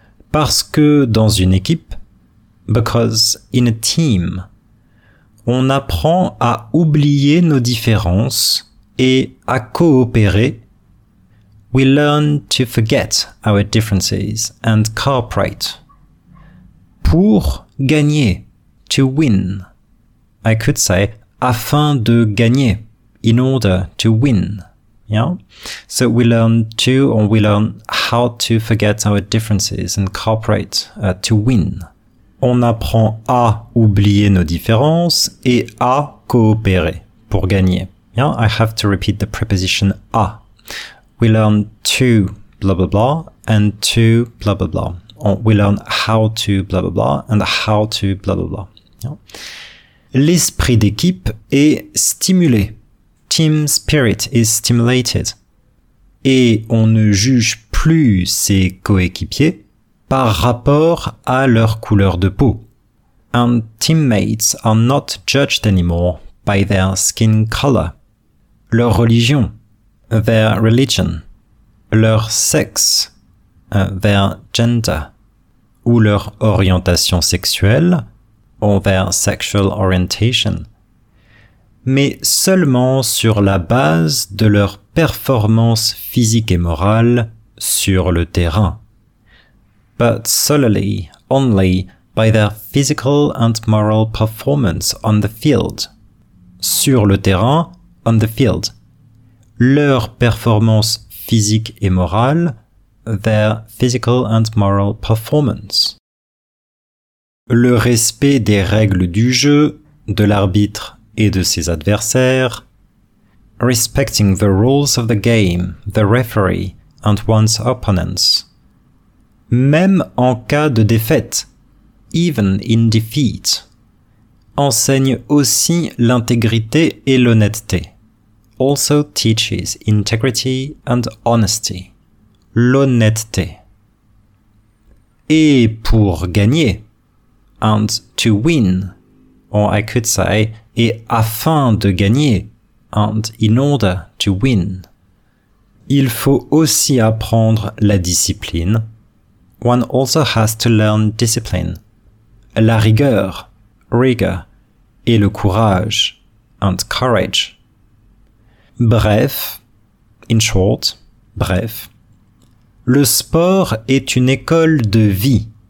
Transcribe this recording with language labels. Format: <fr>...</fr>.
<fr>Parce que dans une équipe,</fr> <en>because in a team,</en> <fr>on apprend à oublier nos différences et à coopérer.</fr> <en>We learn to forget our differences and cooperate. Pour gagner, to win. I could say,</en> <fr>afin de gagner,</fr> <en>in order to win. Yeah? So we learn to, or we learn how to forget our differences and cooperate to win.</en> <fr>On apprend à oublier nos différences et à coopérer pour gagner.</fr> <en>Yeah? I have to repeat the preposition à. We learn to blah blah blah and to blah blah blah. Or we learn how to blah blah blah and how to blah blah blah. Yeah?</en> <fr>L'esprit d'équipe est stimulé.</fr> <en>Team spirit is stimulated.</en> <fr>Et on ne juge plus ses coéquipiers par rapport à leur couleur de peau.</fr> <en>And teammates are not judged anymore by their skin color,</en> <fr>leur religion,</fr> <en>their religion,</en> <fr>leur sexe,</fr> <en>their gender,</en> <fr>ou leur orientation sexuelle,</fr> <en>or their sexual orientation,</en> <fr>mais seulement sur la base de leur performance physique et morale sur le terrain.</fr> <en>But solely, only, by their physical and moral performance on the field.</en> <fr>Sur le terrain,</fr> <en>on the field.</en> <fr>Leur performance physique et morale,</fr> <en>their physical and moral performance.</en> <fr>Le respect des règles du jeu, de l'arbitre et de ses adversaires.</fr> <en>Respecting the rules of the game, the referee, and one's opponents.</en> <fr>Même en cas de défaite,</fr> <en>even in defeat,</en> <fr>enseigne aussi l'intégrité et l'honnêteté.</fr> <en>Also teaches integrity and honesty. L'honnêteté.</en> <fr>Et pour gagner,</fr> <en>and to win, or I could say,</en> <fr>et afin de gagner,</fr> <en>and in order to win.</en> <fr>Il faut aussi apprendre la discipline.</fr> <en>One also has to learn discipline,</en> <fr>la rigueur,</fr> <en>rigor,</en> <fr>et le courage,</fr> <en>and courage.</en> <fr>Bref,</fr> <en>in short,</en> <fr>bref, le sport est une école de vie.</fr>